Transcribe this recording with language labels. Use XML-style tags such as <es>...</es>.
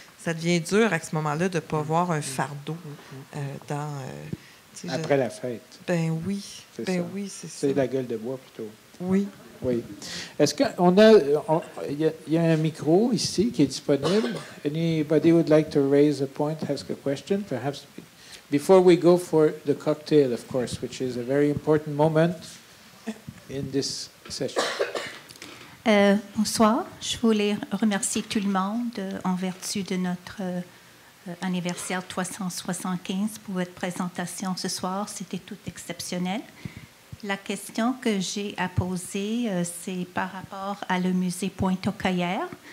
<fr>ça devient dur à ce moment-là de ne pas voir un fardeau dans... Après la fête. Ben oui, c'est ben ça. Oui, c'est ça. C'est la gueule de bois plutôt. Oui. Oui. Est-ce qu'on a... Il y a un micro ici qui est disponible.</fr> <en>Anybody would like to raise a point, ask a question, perhaps... Before we go for the cocktail, of course, which is a very important moment in this session.</en> <fr>Bonsoir. Je voulais remercier tout le monde en vertu de notre anniversaire 375 pour votre présentation ce soir. C'était tout exceptionnel. La question que j'ai à poser, c'est par rapport à le musée Pointe-aux-Caillères.</fr>